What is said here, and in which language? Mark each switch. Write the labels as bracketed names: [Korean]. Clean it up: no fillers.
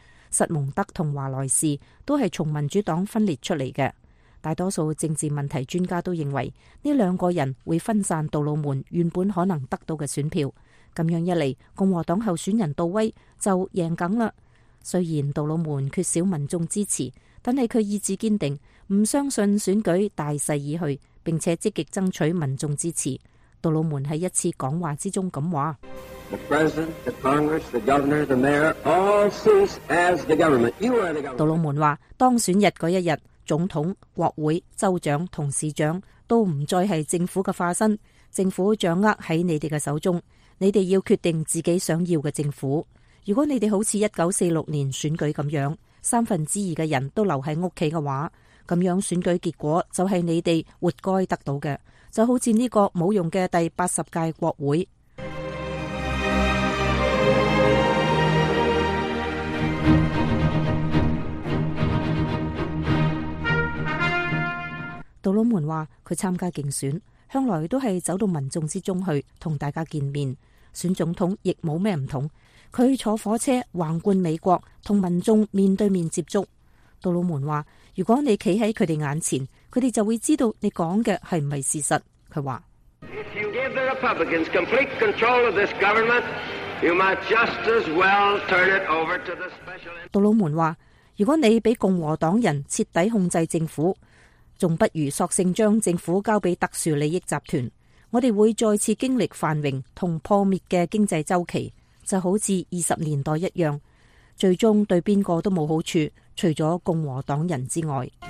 [Chinese] 塞蒙德和华莱士都是从民主党分裂出来的，大多数政治问题专家都认为这两个人会分散杜鲁门原本可能得到的选票，这样一来共和党候选人杜威就赢定了。虽然杜鲁门缺少民众支持，但是他意志坚定，不相信选举大势已去，并且积极争取民众支持。杜鲁门在一次讲话之中这样说， [English] The President, the Congress, the Governor, the Mayor all cease as the government. You are the government. [Chinese] 杜鲁门说，当选日那一日，总统、国会、州长和市长都不再是政府的化身，政府掌握在你们的手中，你们要决定自己想要的政府。如果你们好像1946年选举那样，三分之二的人都留在屋企的话，这样选举结果就是你们活该得到的，就好像这个没用的第80届国会。杜鲁门说他参加竞选向来都是走到民众之中去跟大家见面，选总统亦没什么不同，他坐火车横贯美国跟民众面对面接触。杜鲁门说，如果你站在他们眼前，他们就会知道你说的是不是事实。他说， [English] If you give the Republicans complete control of this government, you might just as well turn it over to the special interest. [Chinese] 杜鲁门说，如果你被共和党人彻底控制政府，还不如索性将政府交给特殊利益集团，我们会再次经历繁荣和破灭的经济周期，就好像20年代一样，最终对边个都没有好处，除了共和党人之外。